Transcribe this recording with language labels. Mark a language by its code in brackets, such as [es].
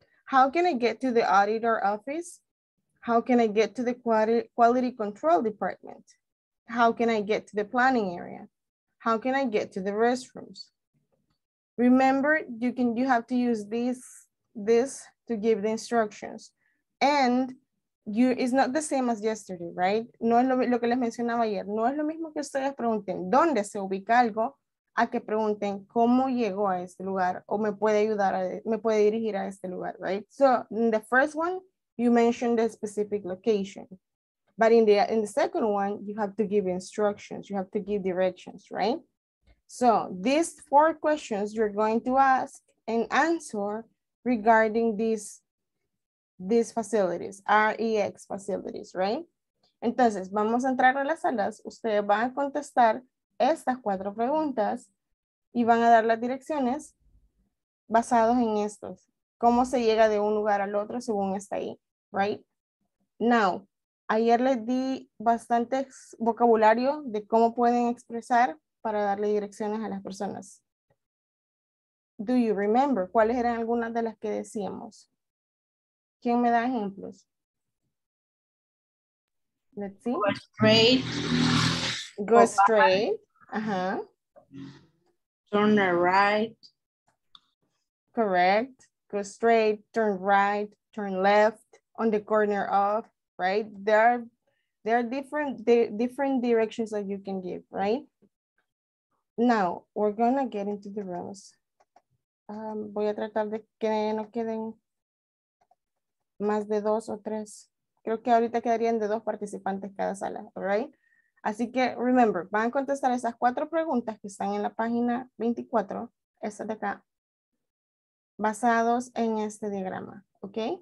[en] How can I get to the auditor office? How can I get to the quality control department? How can I get to the planning area? How can I get to the restrooms? Remember, you have to use this to give the instructions. And you, it's not the same as yesterday, right? [es] No es lo que les mencionaba ayer. No es lo mismo que ustedes pregunten dónde se ubica algo a que pregunten cómo llegó a este lugar o me puede ayudar, me puede dirigir a este lugar, right? [en] So in the first one, you mentioned the specific location. But in the second one, you have to give instructions. You have to give directions, right? So these four questions you're going to ask and answer regarding these facilities, REX facilities, right? [es] Entonces, vamos a entrar a las salas. Ustedes van a contestar estas cuatro preguntas y van a dar las direcciones basados en estos. ¿Cómo se llega de un lugar al otro según está ahí, right? Now, ayer les di bastante vocabulario de cómo pueden expresar para darle direcciones a las personas. [en] Do you remember? [es] ¿Cuáles eran algunas de las que decíamos? ¿Quién me da ejemplos? [en] Let's see. Go straight. Go straight. Ajá. Turn right. Correct. Go straight, turn right, turn left, on the corner of, right? There are different directions that you can give, right? Now, we're going to get into the rooms. [es] Voy a tratar de que no queden más de dos o tres. Creo que ahorita quedarían de dos participantes cada sala, all right? Así que, remember, van a contestar esas cuatro preguntas que están en la página 24, esas de acá, basados en este diagrama, ¿ok?